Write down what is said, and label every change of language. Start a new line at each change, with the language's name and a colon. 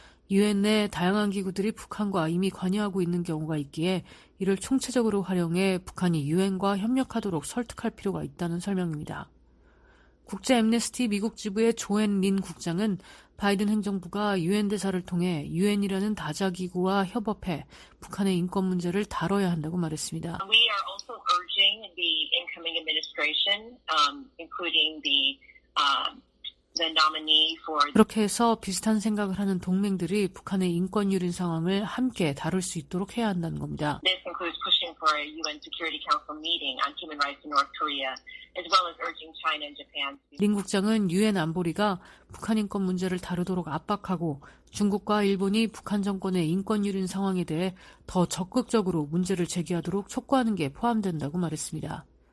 Korean: 유엔 내 다양한 기구들이 북한과 이미 관여하고 있는 경우가 있기에 이를 총체적으로 활용해 북한이 유엔과 협력하도록 설득할 필요가 있다는 설명입니다. 국제 앰네스티 미국 지부의 조앤 린 국장은 바이든 행정부가 유엔 대사를 통해 유엔이라는 다자기구와 협업해 북한의 인권 문제를 다뤄야 한다고 말했습니다.
English: We are also urging the incoming administration, including the nominee for...
Korean: 그렇게 해서 비슷한 생각을 하는 동맹들이 북한의 인권 유린 상황을 함께 다룰 수 있도록 해야 한다는 겁니다.
English: This includes pushing for a UN Security Council meeting on human rights in North Korea, as well as urging China and Japan.
Korean: 린 국장은 유엔 안보리가 북한 인권 문제를 다루도록 압박하고 중국과 일본이 북한 정권의 인권 유린 상황에 대해 더 적극적으로 문제를 제기하도록 촉구하는 게 포함된다고 말했습니다.